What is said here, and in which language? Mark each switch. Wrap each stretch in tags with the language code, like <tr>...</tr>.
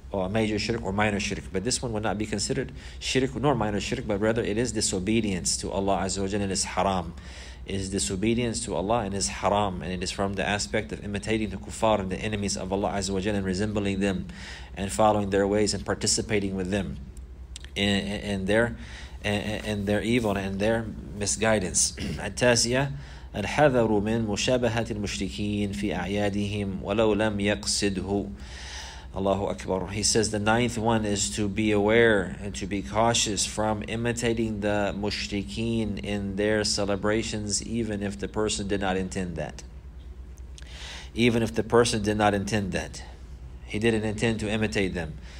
<en>major shirk or minor shirk. But this one would not be considered shirk nor minor shirk, but rather it is disobedience to Allah Azza wa Jalla, and it is haram. It is disobedience to Allah and it is haram. And it is from the aspect of imitating the kuffar and the enemies of Allah Azza wa Jalla, and resembling them and following their ways and participating with them in their evil and their misguidance.</en> <ar>At-Taziyah, الحذر من مشابهة المشركين في أعيادهم ولو لم يقصده. Allahu Akbar.</ar> <en>He says the ninth one is to be aware and to be cautious from imitating the mushrikeen in their celebrations, even if the person did not intend that. Even if the person did not intend that. He didn't intend to imitate them.</en>